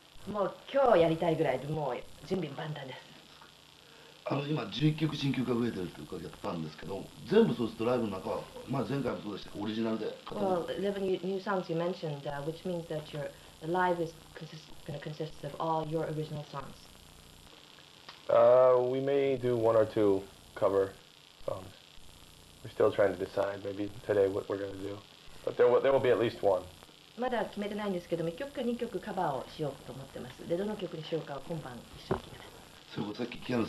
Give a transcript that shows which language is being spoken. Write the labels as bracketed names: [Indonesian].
[Japanese] もう今日やりたいぐらいで、もう準備万端です。今11曲新曲が増えてるって伺ったんですけど、全部そうするとライブの中は、まあ前回もそうでした、オリジナルで。 [English] Well, 11 new songs you mentioned, which means that your live is going to consist of all your original songs. We may do one or two cover songs. We're still trying to decide maybe today what we're going to do, but there will be at least one. [Japanese] まだ決めてないんですけども、1曲か2曲カバーをしようと思ってます。で、どの曲にしようかは今晩一緒に決めます。